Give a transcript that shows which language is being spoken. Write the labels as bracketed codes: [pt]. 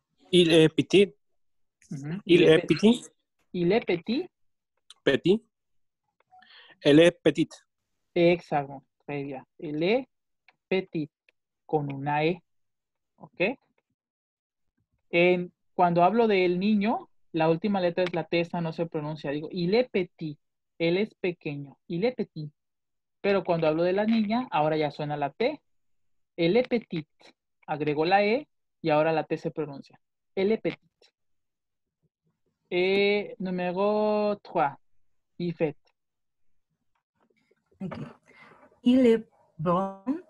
[fr] Il est petit. Uh-huh. Il est petit. Il est petit. Petit. Elle est petite. Exacto, très bien. Elle est petite, [es] con una E. ¿Ok? En, cuando hablo del niño, la última letra es la T, esa no se pronuncia. Digo, [fr] il est petit, [es] él es pequeño, il est petit. Pero cuando hablo de la niña, ahora ya suena la T. [fr] Elle est petite, [es] agregó la E y ahora la T se pronuncia. Elle est petite. Et, número 3, Yvette. [fr] Okay. Il est blond.